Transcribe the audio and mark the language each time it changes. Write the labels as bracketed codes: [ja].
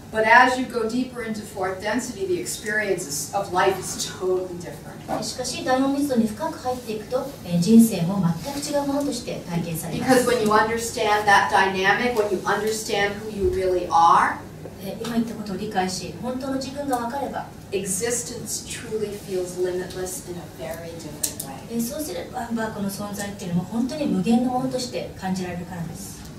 [en] But as you go deeper into fourth density, the experience of life is totally different. [ja] しかし、第四密度に深く入っていくと、人生も全く違うものとして体験されます。 [en] Because when you understand that dynamic, when you understand who you really are, [ja] 今言ったことを理解し、本当の自分が分かれば、 [en] existence truly feels limitless in a very different way. [ja] そうすれば、この存在っていうのも本当に無限のものとして感じられるからです。